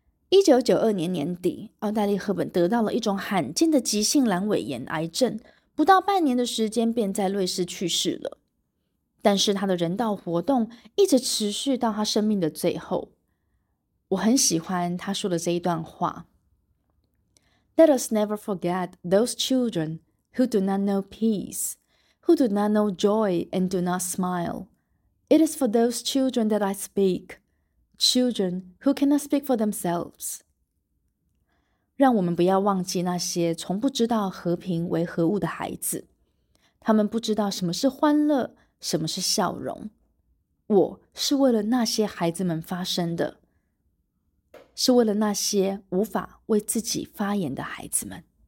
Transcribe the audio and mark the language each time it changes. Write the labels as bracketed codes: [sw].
[zh] 1992年年底，奥黛丽·赫本得到了一种罕见的急性阑尾炎癌症，不到半年的时间便在瑞士去世了。但是她的人道活动一直持续到她生命的最后。我很喜欢他说的这一段话。 [en] Let us never forget those children who do not know peace, who do not know joy and do not smile. It is for those children that I speak, children who cannot speak for themselves. [zh] 让我们不要忘记那些从不知道和平为何物的孩子，他们不知道什么是欢乐，什么是笑容。我是为了那些孩子们发声的，是为了那些无法为自己发言的孩子们。